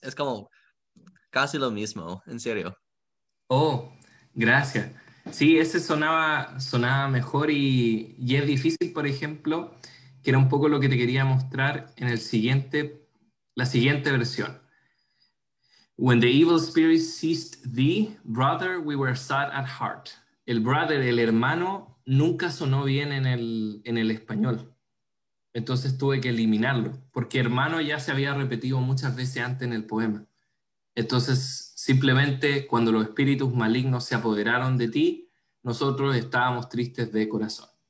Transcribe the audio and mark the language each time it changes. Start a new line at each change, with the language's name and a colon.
Spanish: Es como casi lo mismo, en serio. Oh, gracias. Sí, ese sonaba mejor y es difícil, por ejemplo, que era un poco lo que te quería mostrar en la siguiente versión.
English: When the evil spirit seized thee, brother, we were sad at heart.
Spanish: El brother, el hermano, nunca sonó bien en el español. Entonces tuve que eliminarlo, porque hermano ya se había repetido muchas veces antes en el poema. Entonces, simplemente cuando los espíritus malignos se apoderaron de ti, nosotros estábamos tristes de corazón.